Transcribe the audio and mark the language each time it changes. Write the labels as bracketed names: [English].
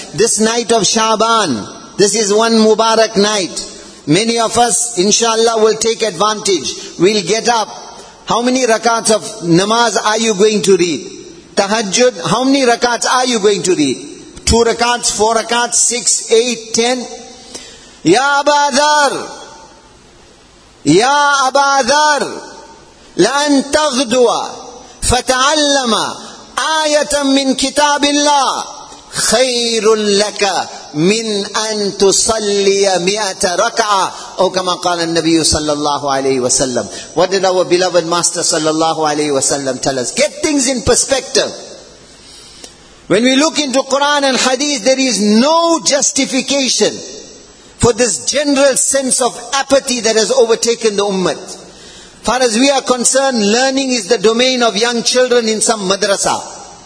[English] This night of Shaban, this is one Mubarak night. Many of us, inshallah, will take advantage. We'll get up. How many rakats of namaz are you going to read? Tahajjud, how many rakats are you going to read? Two rakats, four rakats, six, eight, ten? [Arabic] Ya Aba Dhar, Ya Aba Dhar, لأن تغدو فتعلم آية من كتاب الله خير لك من أن تصلي مئة ركعة. أو كما قال النبي صلى الله عليه وسلم. [English] What did our beloved master صلى الله عليه وسلم tell us? Get things in perspective. When we look into Quran and Hadith, there is no justification for this general sense of apathy that has overtaken the ummah. Far as we are concerned, learning is the domain of young children in some madrasa.